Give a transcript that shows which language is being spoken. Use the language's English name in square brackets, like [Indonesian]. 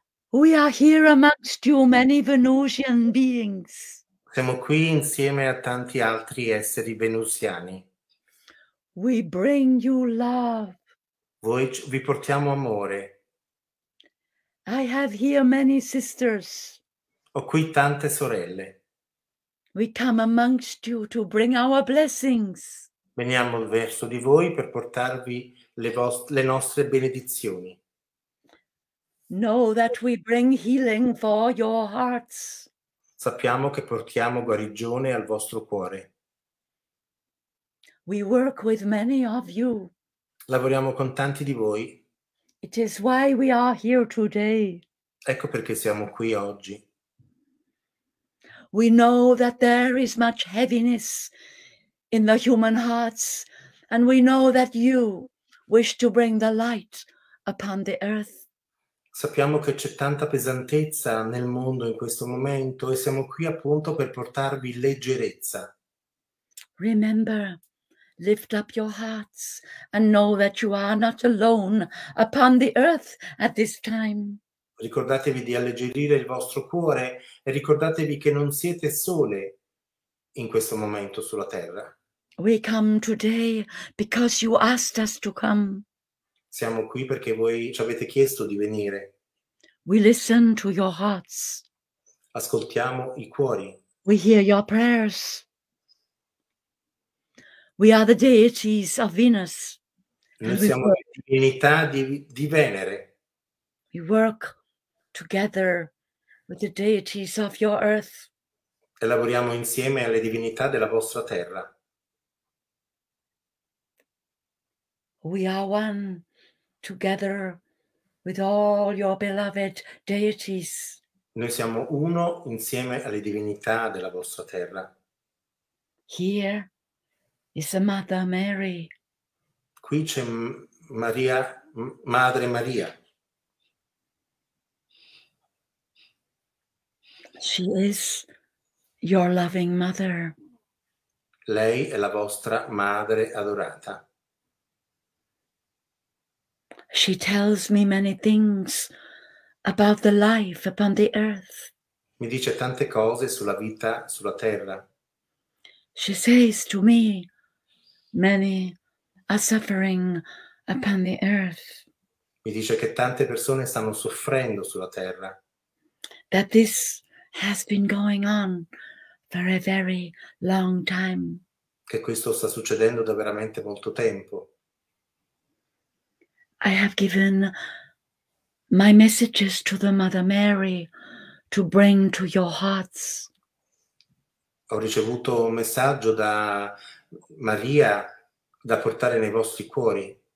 [English] We are here amongst you, many Venusian beings. [Italian] Siamo qui insieme a tanti altri esseri venusiani. [English] We bring you love. [Italian] Voi vi portiamo amore. [English] I have here many sisters. [Italian] Ho qui tante sorelle. [English] We come amongst you to bring our blessings. [Italian] Veniamo verso di voi per portarvi le nostre benedizioni. [English] Know that we bring healing for your hearts. [Italian] Sappiamo che portiamo guarigione al vostro cuore. [English] We work with many of you. [Italian] Lavoriamo con tanti di voi. [English] It is why we are here today. [Italian] Ecco perché siamo qui oggi. [English] We know that there is much heaviness in the human hearts, and we know that you wish to bring the light upon the earth. [Italian] Sappiamo che c'è tanta pesantezza nel mondo in questo momento e siamo qui appunto per portarvi leggerezza. [English] Remember, lift up your hearts and know that you are not alone upon the earth at this time. [Italian] Ricordatevi di alleggerire il vostro cuore e ricordatevi che non siete sole in questo momento sulla terra. [English] We come today because you asked us to come. [Italian] Siamo qui perché voi ci avete chiesto di venire. [English] We listen to your hearts. [Italian] Ascoltiamo i cuori. [English] We hear your prayers. We are the deities of Venus. [Italian] Noi siamo le divinità di Venere. [English] We work together with the deities of your earth. [Italian] E lavoriamo insieme alle divinità della vostra terra. [English] We are one together with all your beloved deities. [Italian] Noi siamo uno insieme alle divinità della vostra terra. [English] Here is the Mother Mary. [Italian] Qui c'è Maria, Madre Maria. [English] She is your loving mother. [Italian] Lei è la vostra madre adorata. [English] She tells me many things about the life upon the earth. [Italian] Mi dice tante cose sulla vita sulla terra. [English] She says to me, many are suffering upon the earth. [Italian] Mi dice che tante persone stanno soffrendo sulla terra. [English] That this has been going on for a very long time. [Italian] Che questo sta succedendo da veramente molto tempo. [English] I have given my messages to the Mother Mary to bring to your hearts. [Italian] Ho ricevuto un messaggio da Maria da portare nei vostri cuori.